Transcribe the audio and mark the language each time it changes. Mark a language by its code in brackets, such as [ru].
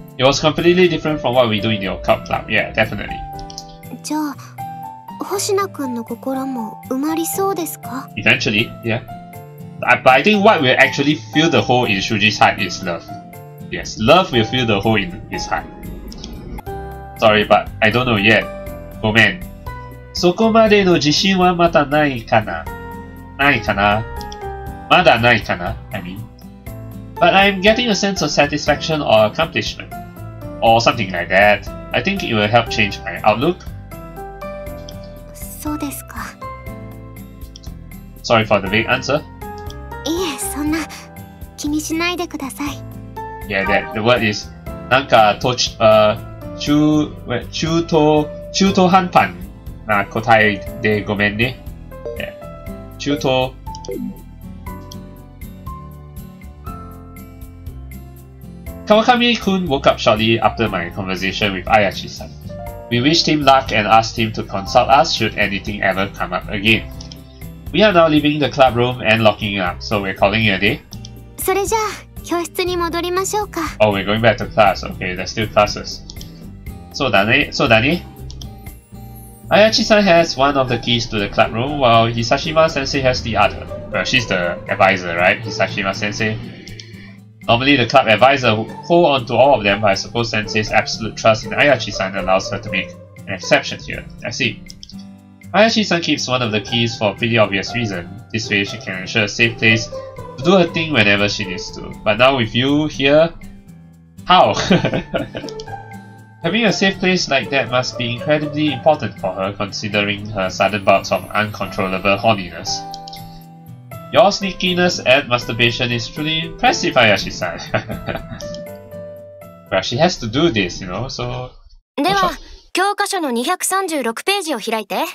[en] It was completely different from what we do in your cup club, yeah, definitely. Eventually, yeah. But I think what will actually fill the hole in Shuji's heart is love. Yes, love will fill the hole in his heart. Sorry, but I don't know yet. Oh man. [ja] そこまでの自信はまだないかな? [en] But I'm getting a sense of satisfaction or accomplishment. Or something like that. I think it will help change my outlook. [ja] そうですか? [en] Sorry for the vague answer. [ja] いえ、そんな…しないでください。 [en] Yeah, that, the word is, [ja] なんか、と、中途半端な答えでごめんね。中途、 [en] Kawakami-kun woke up shortly after my conversation with Ayachi-san. We wished him luck and asked him to consult us should anything ever come up again. We are now leaving the club room and locking up, so we're calling it a day. [ja] それじゃあ、教室に戻りましょうか。 [en] Oh, we're going back to class. Okay, there's still classes. [ja] そうだね、そうだね。 [en] Ayachi-san has one of the keys to the club room, while Hisashima-sensei has the other. Well, she's the advisor, right? Hisashima-sensei. Normally, the club advisor holds on to all of them, but I suppose Sensei's absolute trust in Ayachi-san allows her to make an exception here. I see. Ayachi-san keeps one of the keys for a pretty obvious reason. This way, she can ensure a safe place to do her thing whenever she needs to. But now with you here, how? Having a safe place like that must be incredibly important for her, considering her sudden bouts of uncontrollable horniness. Your sneakiness and masturbation is truly impressive, Ayashi-san. Well, she has to do this, you know, so... [ja] では、教科書の236ページを開いて。